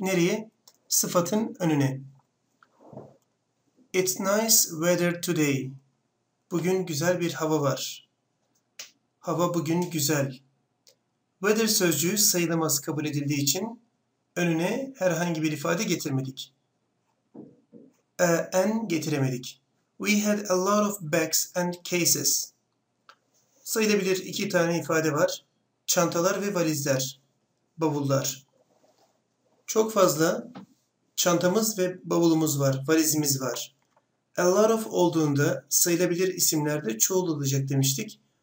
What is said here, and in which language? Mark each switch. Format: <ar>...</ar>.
<tr>Nereye? Sıfatın önüne.</tr> <en>It's nice weather today.</en> <tr>Bugün güzel bir hava var. Hava bugün güzel. Weather sözcüğü sayılamaz kabul edildiği için önüne herhangi bir ifade getirmedik. An getiremedik.</tr> <en>We had a lot of bags and cases.</en> <tr>Sayılabilir iki tane ifade var. Çantalar ve valizler. Bavullar. Çok fazla çantamız ve bavulumuz var, valizimiz var. A lot of olduğunda sayılabilir isimlerde çoğul olacak demiştik.</tr>